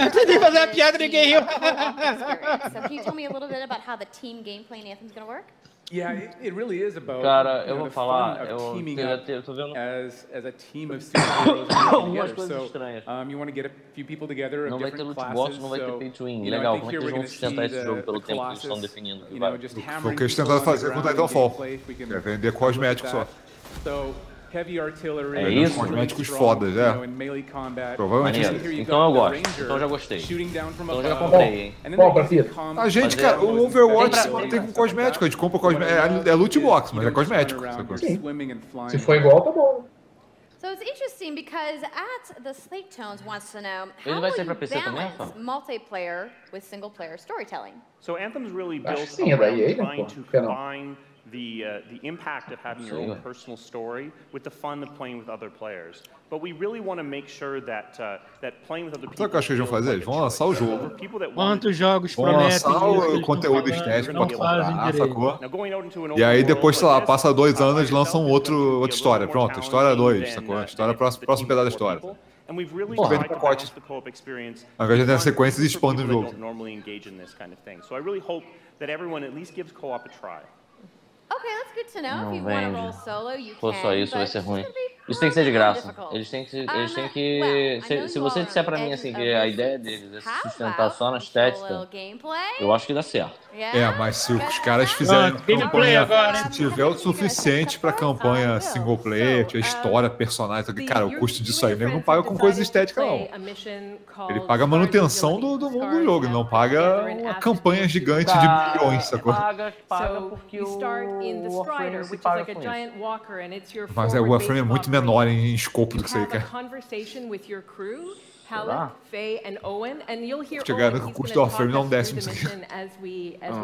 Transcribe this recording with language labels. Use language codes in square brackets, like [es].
[pt] eu tentei fazer uma piada de game. [en] So can you tell me a little bit about how the team gameplay in Anthem's gonna work? Yeah, it really is about. [pt] Cara, eu vou falar. Eu tô vendo. [en] As a team of superheroes together. So, you want to get a few people together of different classes. [pt] Não vai ter loot box, não vai ter pay to win. Legal. Como é que eles vão sustentar esse jogo pelo tempo que eles estão definindo? O que eles tentaram fazer com Titanfall? É vender cosméticos só. [en] Heavy artillery, [pt] é isso? Cosméticos fodas, é. Provavelmente é. Então eu gosto. Então eu já gostei. Então eu já comprei, hein? Qual, Brasil? A gente, cara, o Overwatch tem com cosmético. A gente compra cosmético. É loot box, mas é cosmético. Sim. Se for igual, tá bom. [en] So it's interesting because at the Slate Tones wants to know how will you balance multiplayer with single player storytelling. So Anthem's really built around trying to combine the impact of having your own personal story with the fun of playing with other players. But we really want to make sure that that playing with other people. [pt] O que eu acho que eles vão fazer? Eles vão lançar o jogo. Quantos jogos prometem? Vão lançar o conteúdo estético para comprar, sacou? E aí depois, sei lá, passa dois anos, lançam outra história. Pronto, história 2, sacou? História próximo pedaço da história. [en] And we've really tried to balance the co-op experience. [pt] Ao invés de ter sequências, expande o jogo. [en] Normally engage in this kind of thing. So I really hope that everyone at least gives co-op a try. Okay, that's good to know. Não, if you want to roll solo, you [pt] Pô, [en] can. [pt] Só isso vai ser ruim. Isso tem que ser de graça. Eles têm que se você disser para mim assim que a ideia deles é sustentar só na estética, eu acho que dá certo. [en] Yeah. [pt] É, mas se os caras fizerem campanha, agora, né? Se tiver o suficiente para campanha single player, tipo, história, personagem, cara, o custo disso aí mesmo não paga com coisa estética, não. Ele paga a manutenção do mundo do jogo, não paga uma campanha gigante de milhões, sacou? Paga porque o Warframe paga com isso. Mas é, o Warframe é muito menor em escopo do que você quer. [en] Conversation with your crew, Halleck, Faye and Owen, and you'll hear [pt] chegando com o custo do Warframe não desce isso aqui.